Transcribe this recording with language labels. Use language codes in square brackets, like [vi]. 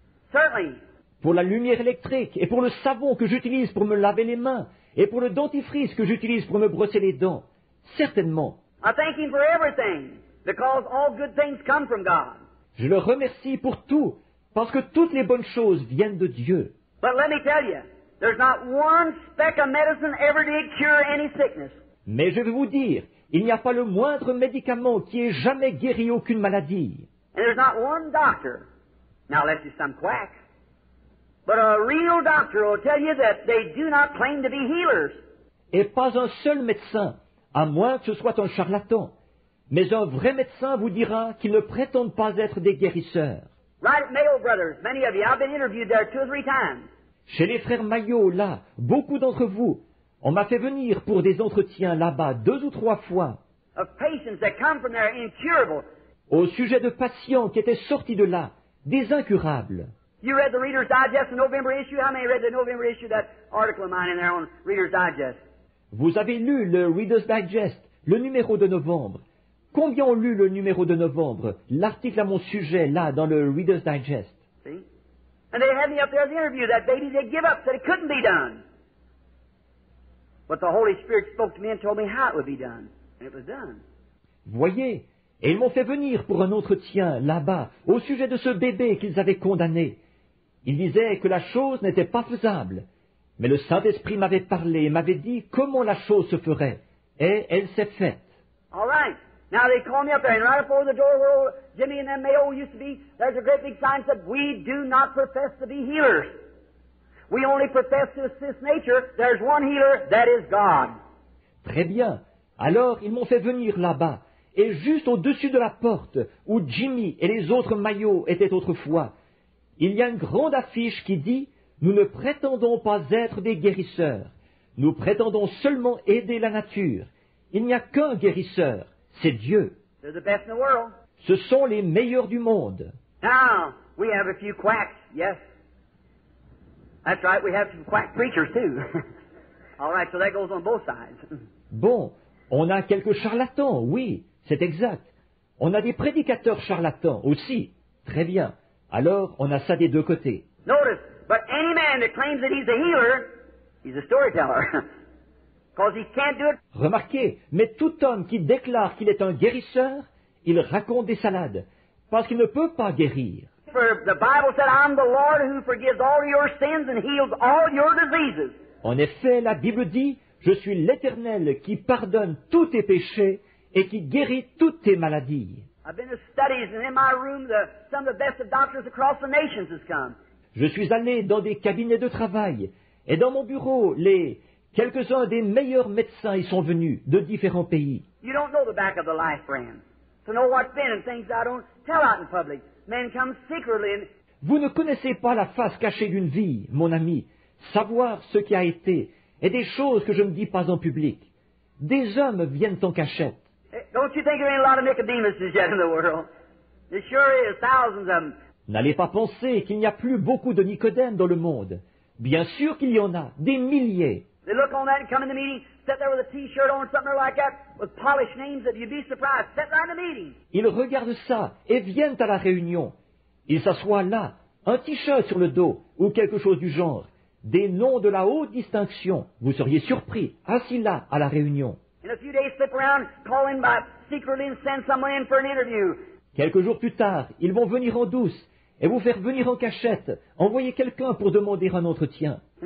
[en] Certainly. [fr] Pour la lumière électrique et pour le savon que j'utilise pour me laver les mains et pour le dentifrice que j'utilise pour me brosser les dents. Certainement. [en] I thank him for everything, because all good things come from God. [fr] Je le remercie pour tout, parce que toutes les bonnes choses viennent de Dieu. [en] But let me tell you, there's not one speck of medicine ever did cure any sickness. [fr] Mais je veux vous dire, il n'y a pas le moindre médicament qui ait jamais guéri aucune maladie. [en] And there's not one doctor, now unless he's some quack, but a real doctor will tell you that they do not claim to be healers. [fr] Et pas un seul médecin, à moins que ce soit un charlatan, mais un vrai médecin vous dira qu'ils ne prétendent pas être des guérisseurs. [en] Right, Mayo Brothers, many of you, I've been interviewed there two or three times. [fr] Chez les frères Mayo, là, beaucoup d'entre vous, on m'a fait venir pour des entretiens là-bas deux ou trois fois. [en] Of patients that come from there incurable. [fr] Au sujet de patients qui étaient sortis de là, des incurables. [en] You read the Reader's Digest, the November issue. How many read the November issue, that article of mine in there on Reader's Digest? [fr] Vous avez lu le Reader's Digest, le numéro de novembre. Combien ont lu le numéro de novembre, l'article à mon sujet, là, dans le Reader's Digest? [en] See? And they had me up there in the interview, that baby they give up, said it couldn't be done. But the Holy Spirit spoke to me and told me how it would be done. And it was done. [fr] Voyez, et ils m'ont fait venir pour un entretien, là-bas, au sujet de ce bébé qu'ils avaient condamné. Ils disaient que la chose n'était pas faisable. Mais le Saint-Esprit m'avait parlé et m'avait dit comment la chose se ferait. Et elle s'est faite. [en] All right. Now they call me up there, and right before the door where Jimmy and them Mayo used to be, there's a great big sign that said, we do not profess to be healers. We only profess to assist nature. There's one healer, that is God. [fr] Très bien. Alors, ils m'ont fait venir là-bas, et juste au-dessus de la porte où Jimmy et les autres Mayo étaient autrefois, il y a une grande affiche qui dit, nous ne prétendons pas être des guérisseurs. Nous prétendons seulement aider la nature. Il n'y a qu'un guérisseur. C'est Dieu. [en] They're the best in the world. [fr] Ce sont les meilleurs du monde. [en] Now, we have a few quacks, yes. That's right, we have some quack preachers too. All right, so that goes on both sides. [fr] Bon, on a quelques charlatans, oui, c'est exact. On a des prédicateurs charlatans aussi. Très bien. Alors, on a ça des deux côtés. [en] Notice, but any man that claims that he's a healer, he's a storyteller. Because he can't do it. [fr] Remarquez, mais tout homme qui déclare qu'il est un guérisseur, il raconte des salades, parce qu'il ne peut pas guérir. [en] For the Bible said, I'm the Lord who forgives all your sins and heals all your diseases. [fr] En effet, la Bible dit, je suis l'Éternel qui pardonne tous tes péchés et qui guérit toutes tes maladies. [en] I've been to studies and in my room, some of the best of doctors across the nations has come. [fr] Je suis allé dans des cabinets de travail et dans mon bureau, les quelques-uns des meilleurs médecins y sont venus, de différents pays. [en] You don't know the back of the life, friend. To know what's been and things I don't tell out in public. Men come secretly and... [fr] Vous ne connaissez pas la face cachée d'une vie, mon ami. Savoir ce qui a été et des choses que je ne dis pas en public. Des hommes viennent en cachette. [en] Don't you think there ain't a lot of Nicodemus yet in the world? There sure is, thousands of them. [fr] N'allez pas penser qu'il n'y a plus beaucoup de Nicodèmes dans le monde. Bien sûr qu'il y en a, des milliers. [en] They look on that and come in the meeting, sit there with a t-shirt on, something like that, with polished names, that you'd be surprised, sit there in the meeting. [fr] Ils regardent ça et viennent à la réunion. Ils s'assoient là, un t-shirt sur le dos, ou quelque chose du genre. Des noms de la haute distinction, vous seriez surpris, assis là, à la réunion. [en] In a few days, slip around, call in by secretly and send someone in for an interview. [fr] Quelques jours plus tard, ils vont venir en douce et vous faire venir en cachette, envoyer quelqu'un pour demander un entretien.